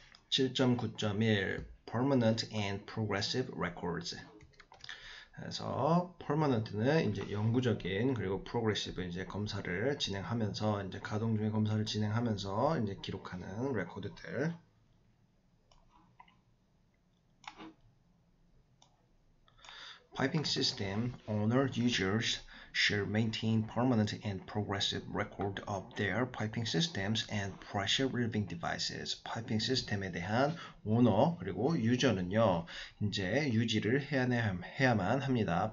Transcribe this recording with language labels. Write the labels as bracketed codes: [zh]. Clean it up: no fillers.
[en] 7.9.1 Permanent and Progressive Records. [ko] 그래서 퍼머넌트는 이제 영구적인 그리고 프로그레시브 이제 검사를 진행하면서 이제 가동 중에 검사를 진행하면서 이제 기록하는 레코드들. [en] 파이핑 시스템 owner users shall maintain permanent and progressive record of their piping systems and pressure relieving devices. [ko] 파이핑 시스템에 대한 owner 그리고 유저는요, 이제 유지를 해야만 합니다.